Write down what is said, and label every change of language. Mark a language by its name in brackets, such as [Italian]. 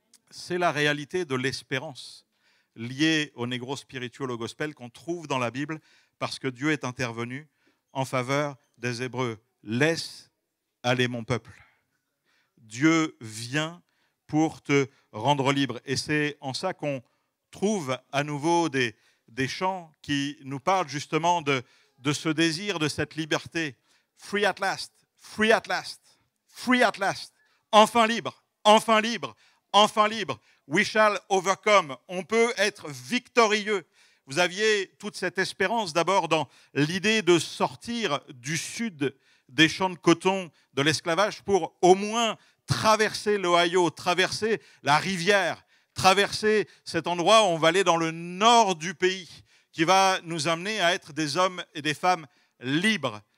[French] C'est la réalité de l'espérance liée au négro spirituel, au gospel, qu'on trouve dans la Bible parce que Dieu est intervenu en faveur des Hébreux. Laisse aller mon peuple. Dieu vient pour te rendre libre. Et c'est en ça qu'on trouve à nouveau des chants qui nous parlent justement de ce désir, de cette liberté. [English] Free at last, free at last, free at last. [French] Enfin libre, enfin libre, enfin libre. [English] We shall overcome. [French] On peut être victorieux. Vous aviez toute cette espérance d'abord dans l'idée de sortir du sud des champs de coton de l'esclavage pour au moins traverser l'Ohio, traverser la rivière, traverser cet endroit où on va aller dans le nord du pays, qui va nous amener à être des hommes et des femmes libres.